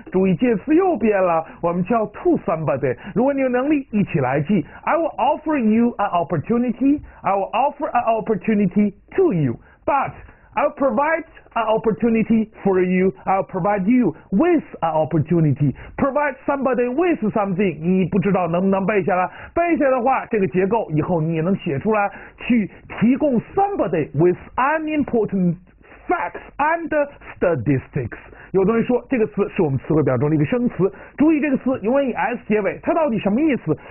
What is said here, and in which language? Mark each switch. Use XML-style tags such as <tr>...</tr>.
<zh>注意介词又变了，我们叫</zh> <en>to somebody。</en> <zh>如果你有能力，一起来记。</zh> <en>I will offer you an opportunity. I will offer an opportunity to you. But I'll provide an opportunity for you. I'll provide you with an opportunity. Provide somebody with something.</en> <zh>你不知道能不能背下来？背下来的话，这个结构以后你也能写出来。去提供</zh> <en>somebody with an important facts and statistics。</en> <zh>有的人说这个词是我们词汇表中的一个生词，注意这个词永远以 s 结尾，它到底什么意思？</zh>